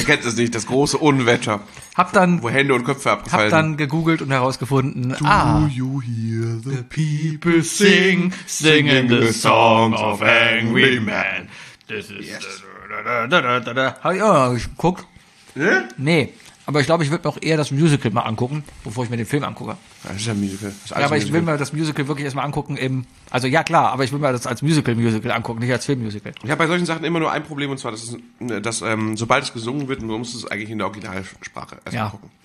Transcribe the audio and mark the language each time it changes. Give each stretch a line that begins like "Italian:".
German: Ihr kennt es nicht, das große Unwetter. Hab dann, wo Hände und Köpfe abgefallen. Hab dann gegoogelt und herausgefunden,
English: do you hear the people sing, singing the song of angry men. This is, yes.
German: Hab ich auch mal geguckt. Nee, aber ich glaube, ich würde mir auch eher das Musical mal angucken, bevor ich mir den Film angucke. Das ist ja ein Musical. Ja, aber ich will mir das Musical wirklich erstmal angucken im, also ja klar, aber ich will mir das als Musical angucken, nicht als Filmmusical. Ich habe bei solchen Sachen immer nur ein Problem, und zwar, dass sobald es gesungen wird, muss es eigentlich in der Originalsprache erstmal, ja, gucken.